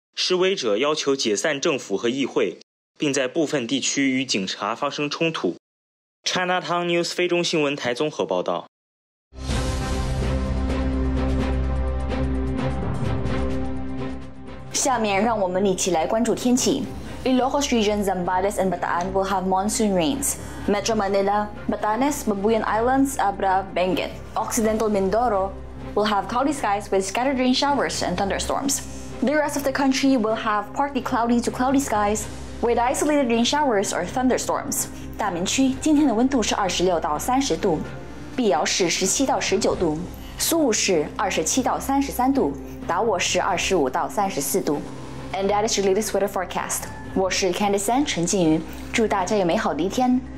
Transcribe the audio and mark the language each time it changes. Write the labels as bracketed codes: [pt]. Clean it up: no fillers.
[zh] 示威者要求解散政府和议会，并在部分地区与警察发生冲突。 Chinatown News 菲中新闻台综合报道。下面让我们一起来关注天气。 [en] Ilocos Region, Zambales and Bataan will have monsoon rains. Metro Manila, Batanes, Babuyan Islands, Abra, Benguet. Occidental Mindoro will have cloudy skies with scattered rain showers and thunderstorms. The rest of the country will have partly cloudy to cloudy skies with isolated rain showers or thunderstorms. [zh] 大明区今天的温度是26到30度，碧瑶市17到19度，苏武市27到33度，达沃市25到34度。 [en] And that is your latest weather forecast. [zh] 我是 Candice Ann 陈静瑜，祝大家有美好的一天。